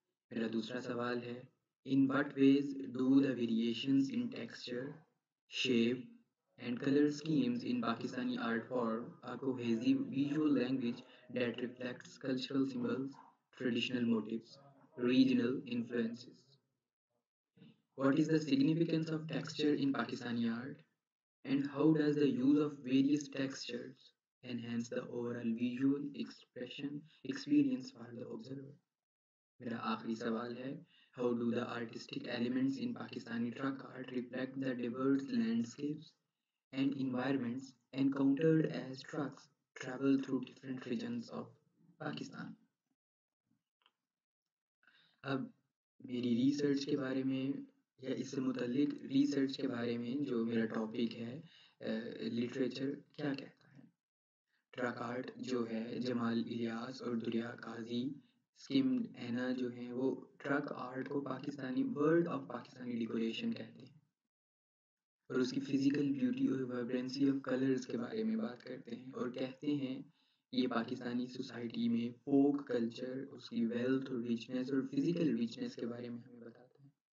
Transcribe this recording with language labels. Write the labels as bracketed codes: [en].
[hi] मेरा दूसरा सवाल है, [en] In what ways do the variations in texture, shape and colour schemes in Pakistani art form a cohesive visual language that reflects cultural symbols, traditional motifs, regional influences. What is the significance of texture in Pakistani art? And how does the use of various textures enhance the overall visual expression experience for the observer? [hi] Mera aakhri sawal hai, [en] how do the artistic elements in Pakistani truck art reflect the diverse landscapes and environments encountered as trucks travel through different regions of Pakistan? Ab meri research ke bare mein [hi] या इससे मुतल्लिक research के बारे में जो मेरा topic है, literature क्या कहता है। ट्रक आर्ट जो है जमाल इलियास और दुरिया काजी स्किम एना जो है वो ट्रक आर्ट को Pakistani [en] world of Pakistani decoration [hi] कहते हैं और उसकी फिजिकल ब्यूटी और [en] vibrancy of colours [hi] के बारे में बात करते हैं और कहते हैं ये पाकिस्तानी सोसाइटी में फोक कल्चर, उसकी वेल्थ और रिचनेस और फिजिकल रिचनेस के बारे में हमें बताते हैं।